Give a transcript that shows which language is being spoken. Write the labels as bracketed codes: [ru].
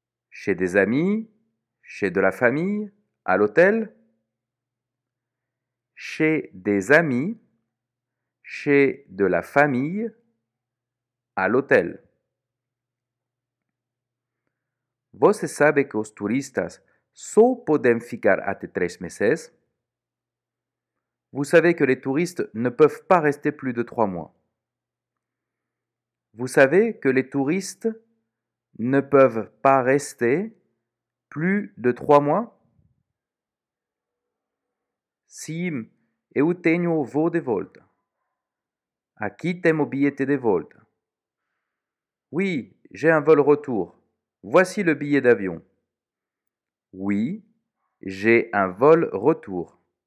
[fr] Chez des amis, chez de la famille, à l'hôtel? Chez des amis, chez de la famille, à l'hôtel. [pt] Você sabe que os turistas só podem ficar até 3 meses? [fr] Vous savez que les touristes ne peuvent pas rester plus de 3 mois. Vous savez que les touristes ne peuvent pas rester plus de 3 mois? [pt] Sim, eu tenho o voo de volta. Aqui tem o bilhete de volta. [fr] Oui, j'ai un vol retour. Voici le billet d'avion. Oui, j'ai un vol retour.